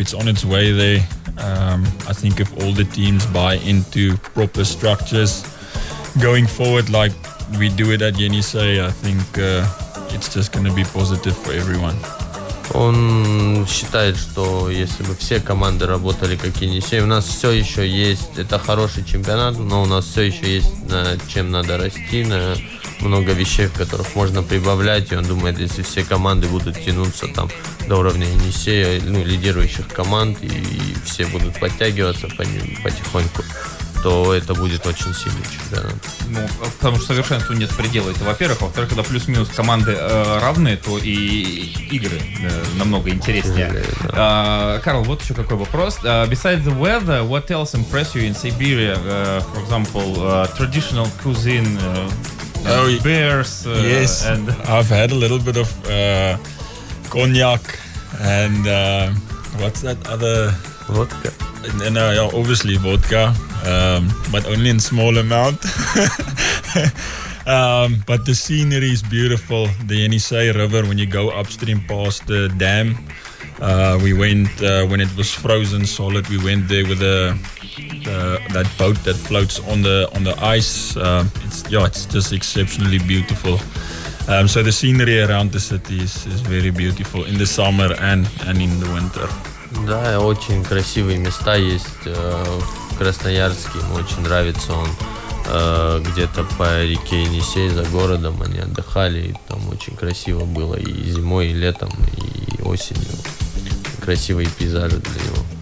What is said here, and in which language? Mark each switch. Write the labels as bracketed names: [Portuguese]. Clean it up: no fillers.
[English] It's on its way there. I think if all the teams buy into proper structures going forward like we do it at Yenisei, I think it's just going to be positive for everyone. [Russian] Он считает, что если бы все команды работали как Енисей, у нас все еще есть, это хороший чемпионат, но у нас все еще есть над чем надо расти, на много вещей, в которых можно прибавлять, и он думает, если все команды будут тянуться там до уровня Енисея, ну, лидирующих команд, и все будут подтягиваться по ним потихоньку, то это будет очень сильный чемпионат. Ну, потому что совершенству нет предела. Это, во-первых. Во-вторых, когда плюс-минус команды равные, то и игры намного интереснее. [English] Yeah, yeah. [Russian] Карл, вот еще какой вопрос. [English] Besides the weather, what else impressed you in Siberia? For example, traditional cuisine, bears? Yes, and... I've had a little bit of cognac and what's that other... Vodka. And yeah, obviously vodka, but only in small amount. but the scenery is beautiful. The Yenisei River, when you go upstream past the dam, we went when it was frozen solid. We went there with that boat that floats on the ice. It's just exceptionally beautiful. So the scenery around the city is very beautiful in the summer and in the winter. [Russian] Да, очень красивые места есть в Красноярске, ему очень нравится он, где-то по реке Енисей за городом, они отдыхали, и там очень красиво было и зимой, и летом, и осенью, красивые пейзажи для него.